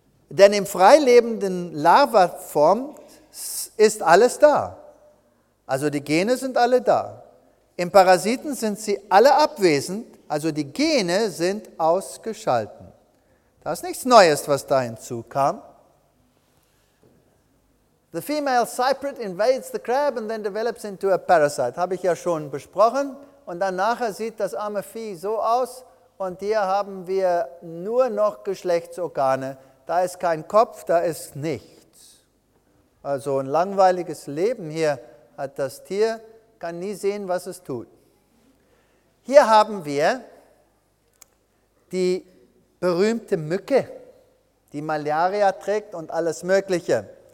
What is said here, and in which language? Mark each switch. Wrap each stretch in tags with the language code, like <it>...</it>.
<de>Denn im freilebenden Larva-Form ist alles da. Also die Gene sind alle da. Im Parasiten sind sie alle abwesend, also die Gene sind ausgeschalten. Das ist nichts Neues, was da hinzukam.</de> <en>The female cyprid invades the crab and then develops into a parasite.</en> <de>Habe ich ja schon besprochen. Und dann nachher sieht das arme Vieh so aus. Und hier haben wir nur noch Geschlechtsorgane. Da ist kein Kopf, da ist nichts. Also ein langweiliges Leben hier hat das Tier. Kann nie sehen, was es tut. Hier haben wir die berühmte Mücke, die Malaria trägt und alles Mögliche.</de>